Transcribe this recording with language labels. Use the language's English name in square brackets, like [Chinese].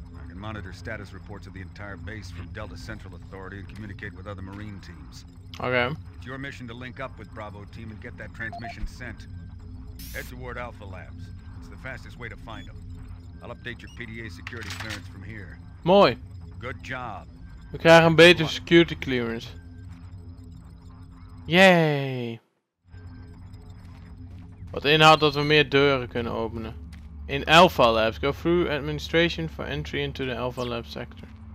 [English] I can monitor status reports of the entire base from Delta Central Authority and communicate with other Marine teams. Okay. It's your mission to link up with Bravo team and get that transmission sent. Head toward Alpha Labs. It's the fastest way to find them. I'll update your PDA security clearance from here. [Dutch] Mooi. [English] Good job. [Dutch] We krijgen een beter security clearance. [English] Yay. [Dutch] Wat inhoudt dat we meer deuren kunnen openen. In Alpha Labs. [English] Go through administration for entry into the Alpha Lab sector.